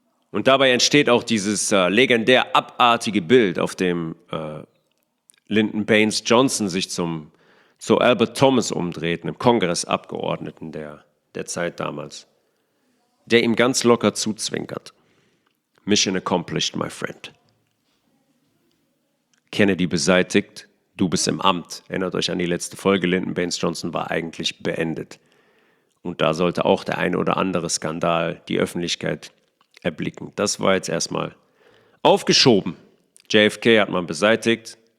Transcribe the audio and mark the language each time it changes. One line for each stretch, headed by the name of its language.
German: Und dabei entsteht auch dieses legendär abartige Bild, auf dem Lyndon Baines Johnson sich zu Albert Thomas umdreht, einem Kongressabgeordneten der Zeit damals, der ihm ganz locker zuzwinkert.
English: Mission accomplished, my friend.
German: Kennedy beseitigt, du bist im Amt. Erinnert euch an die letzte Folge, Lyndon Baines Johnson war eigentlich beendet. Und da sollte auch der ein oder andere Skandal die Öffentlichkeit erblicken. Das war jetzt erstmal aufgeschoben. JFK hat man beseitigt.